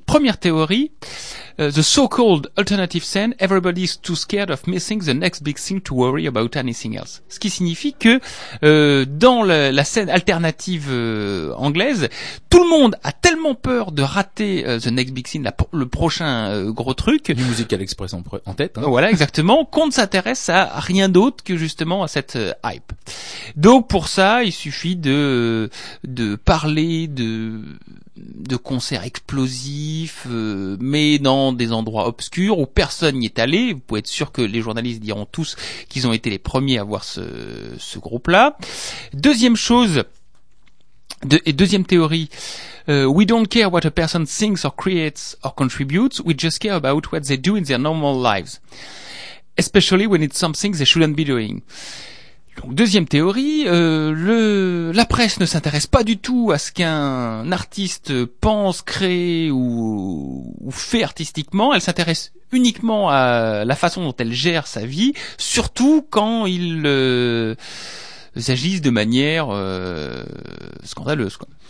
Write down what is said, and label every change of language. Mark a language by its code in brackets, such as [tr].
[fr] Première théorie, [en] the so-called alternative scene, everybody's too scared of missing the next big thing to worry about anything else. [fr] Ce qui signifie que dans la scène alternative anglaise, tout le monde a tellement peur de rater [en] the next big thing, [fr] le prochain gros truc. Du Musical Express en tête. Hein. Voilà, exactement. Qu'on ne s'intéresse à rien d'autre que justement à cette hype. Donc pour ça, il suffit de parler de concerts explosifs, mais dans des endroits obscurs où personne n'y est allé. Vous pouvez être sûr que les journalistes diront tous qu'ils ont été les premiers à voir ce groupe-là. Deuxième chose, deuxième théorie, [en] we don't care what a person thinks or creates or contributes, we just care about what they do in their normal lives, especially when it's something they shouldn't be doing. [fr] Donc, deuxième théorie, la presse ne s'intéresse pas du tout à ce qu'un artiste pense, crée ou fait artistiquement. Elle s'intéresse uniquement à la façon dont elle gère sa vie, surtout quand il s'agisse de manière scandaleuse, quoi.